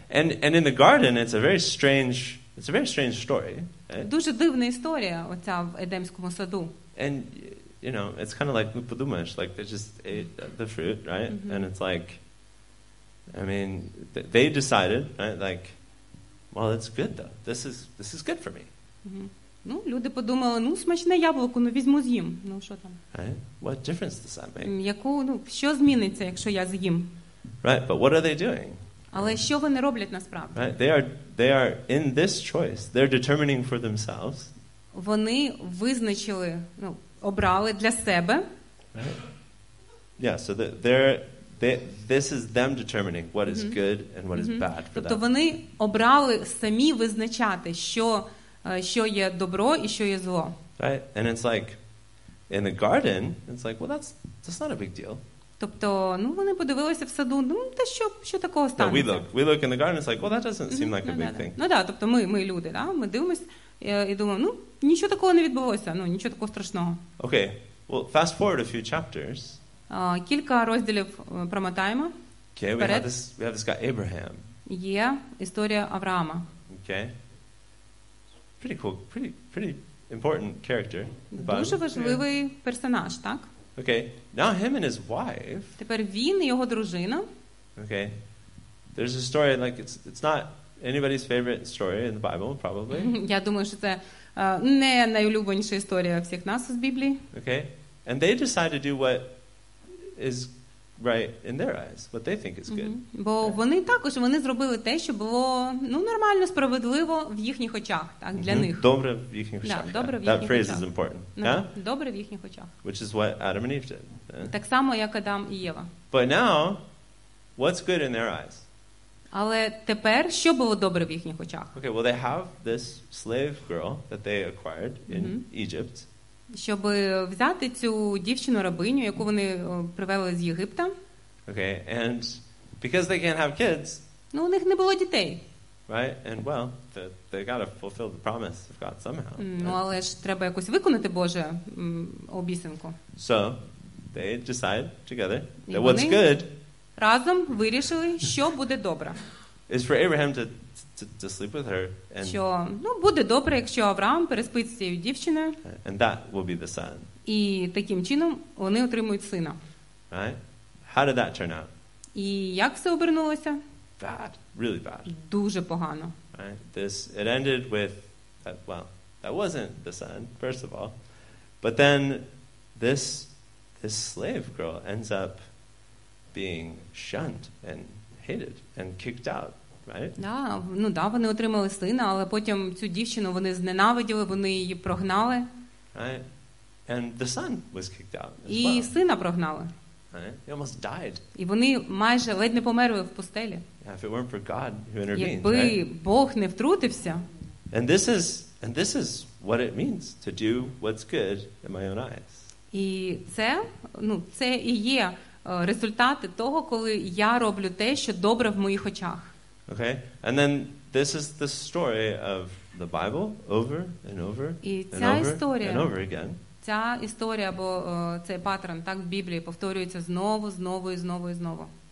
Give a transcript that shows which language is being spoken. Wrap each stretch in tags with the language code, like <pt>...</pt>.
<en>And in the garden it's a very strange story. Right?</en> <uk>Дуже дивна історія оця в Едемському саду.</uk> <en>And you know, it's kind of like</en> <uk>ну подумаєш,</uk> <en>like they just ate the fruit, right? Mm-hmm. And it's like I mean, they decided, right? Like, well, it's good though. This is good for me. Mm-hmm.</en> <uk>Ну, люди подумали, ну, смачне яблуко, ну, візьму з'їм. Ну, що там?</uk> <en>Right? What difference does that make?</en> <uk>Яку, ну, що зміниться, якщо я з'їм?</uk> <en>Right, but what are they doing?</en> <uk>Але що вони роблять насправді?</uk> <en>Right? They are in this choice. They're determining for themselves.</en> <uk>Вони визначили, ну, обрали для себе.</uk> <en>Right? Yeah, so this is them determining what is good and what is bad for</en> <uk>them. Тобто вони обрали самі визначати, що є добро і що є зло.</uk> <en>Right? And it's like in the garden, it's like, well, that's not a big deal.</en> <uk>Тобто, ну, вони подивилися в саду, ну, та що такого станеться?</uk> <en>No, we look in the garden, it's like, well, that doesn't seem like a big thing.</en> <uk>Ну, да, тобто ми люди, да, ми дивимось і думаємо, ну, нічого такого не відбулося, ну, нічого такого страшного.</uk> <en>Okay, well, fast forward a few chapters.</en> <uk>Кілька розділів промотаємо.</uk> <en>Okay, we have this guy Abraham.</en> <uk>Є історія Авраама.</uk> <en>Okay. Pretty cool, pretty important character.</en> <uk>Дуже важливий персонаж, так?</uk> <en>Okay. Now him and his wife.</en> <uk>Тепер він і його дружина.</uk> <en>Okay. There's a story like it's not anybody's favorite story in the Bible probably.</en> <uk>Я думаю, що це не найулюбленіша історія всіх нас з Біблії.</uk> <en>Okay. And they decide to do what is right in their eyes, what they think is good.</en> <uk>Бо вони також вони зробили те, що було, ну, нормально, справедливо в їхніх очах, так, для них. Добре в їхніх очах. Так, добре в їхніх</uk> <en>очах. That phrase is important.</en> <uk>Добре в їхніх очах.</uk> <en>Which is what Adam and Eve did.</en> <uk>Так само, як Адам і Єва.</uk> <en>But now, what's good in their eyes?</en> <uk>Але тепер що було добре в їхніх очах?</uk> <en>Okay, well they have this slave girl that they acquired in Egypt.</en> <uk>Щоб взяти цю дівчину-рабиню, яку вони привели з Єгипта.</uk> <en>Okay, and because they can't have kids.</en> <uk>Ну, у них не було дітей.</uk> <en>Right, and well, they got to fulfill the promise of God somehow.</en> <uk>Ну, але ж треба якось виконати Боже обіцянку.</uk> <en>So, they decide together that what's good.</en> <uk>Разом вирішили, що буде добре.</uk> <en>Is for Abraham to sleep with her and</en> <uk>що, ну, буде добре, якщо Авраам переспить з цією дівчиною.</uk> <en>And that will be the son.</en> <uk>І таким чином вони отримують сина.</uk> <en>Right? How did that turn out?</en> <uk>І як все обернулося?</uk> <en>Bad. Really bad.</en> <uk>Дуже погано.</uk> <en>Right? It ended with that, well, that wasn't the son, first of all. But then this slave girl ends up being shunned and hated and kicked out. Right?</en> <uk>Да, ну да, вони отримали сина, але потім цю дівчину вони зненавиділи, вони її прогнали.</uk> <en>Right? And the son was kicked out.</en> <uk>І сина прогнали.</uk> <en>Right? He almost died.</en> <uk>І вони майже ледь не померли в пустелі.</uk> <en>Yeah, if it weren't for God who intervened.</en> <uk>Якби Бог не втрутився.</uk> <en>And this is what it means to do what's good in my own eyes.</en> <uk>І це, ну, це і є результати того, коли я роблю те, що добре в моїх очах.</uk> <en>Okay. And then this is the story of the Bible over and over and over again.</en> <uk>Ця історія або цей паттерн так в Біблії повторюється знову, знову і знову і знову.</uk>